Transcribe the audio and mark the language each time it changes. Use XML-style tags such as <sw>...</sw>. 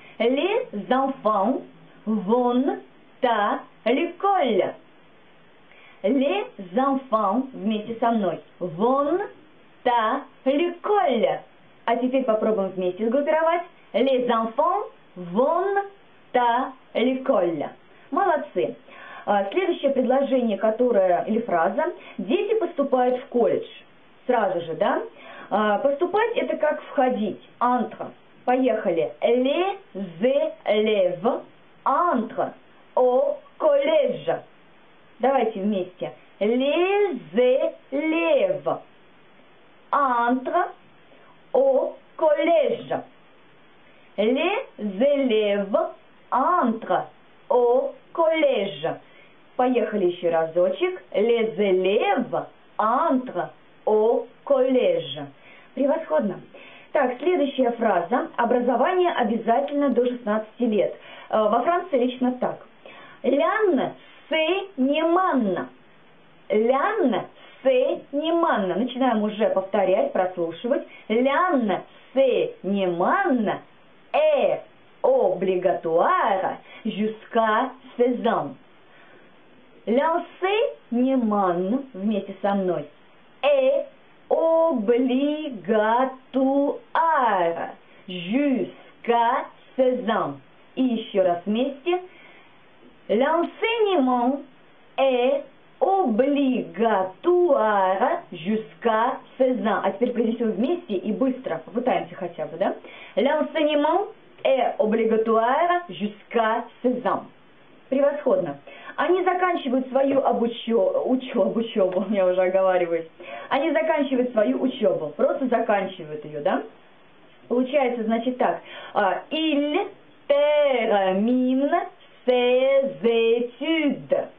<fr>Les enfants vont à l'école. Les enfants</fr> <ru>вместе со мной.</ru> <fr>Vont à l'école.</fr> <ru>А теперь попробуем вместе сгруппировать.</ru> <fr>Les enfants vont à l'école.</fr> <ru>Молодцы. Следующее предложение, которое или фраза. Дети поступают в колледж. Сразу же, да? Поступать это как входить. Entre. Поехали.</ru> <fr>Les élèves entre au collège.</fr> <ru>Давайте вместе.</ru> <fr>Les élèves entre au collège. Les élèves entre au collège.</fr> <ru>Поехали еще разочек.</ru> <fr>Les élèves entre au collège.</fr> <ru>Превосходно. Так, следующая фраза. Образование обязательно до 16 лет. Во Франции лично так. L'enseignement.</ru> <fr>L'enseignement.</fr> <ru>Начинаем уже повторять, прослушивать.</ru> <fr>L'enseignement est obligatoire jusqu'à 16 ans. L'enseignement</fr> <ru>вместе со мной</ru> <fr>est obligatoire jusqu'à 16 ans.</fr> <ru>И еще раз вместе.</ru> <fr>L'enseignement est obligatoire jusqu'à 16 ans.</fr> <ru>А теперь произнесем вместе и быстро. Попытаемся хотя бы, да?</ru> <fr>L'enseignement est obligatoire jusqu'à 16 ans.</fr> <ru>Превосходно. Они заканчивают свою учебу, я уже оговариваюсь. Они заканчивают свою учебу, просто заканчивают ее, да? Получается, значит, так.</ru> <fr>Il termine ses études.</fr>